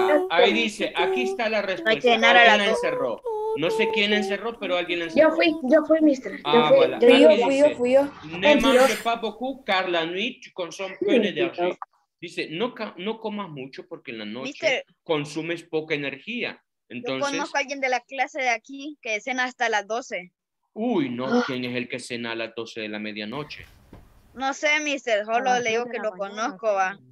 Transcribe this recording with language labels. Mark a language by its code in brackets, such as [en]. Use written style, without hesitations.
[es] Ahí dice, aquí está la respuesta. Alguien la encerró. No sé quién encerró, pero alguien la encerró. Yo fui, mister. Yo fui. [fr] Ne mange pas beaucoup, car la nuit, tu consommes peu d'énergie. [es] Dice, no comas mucho porque en la noche mister, consumes poca energía. Entonces, yo conozco a alguien de la clase de aquí que cena hasta las 12. Uy, no, ¿quién es el que cena a las 12 de la medianoche? No sé, mister, solo le digo que lo conozco, va.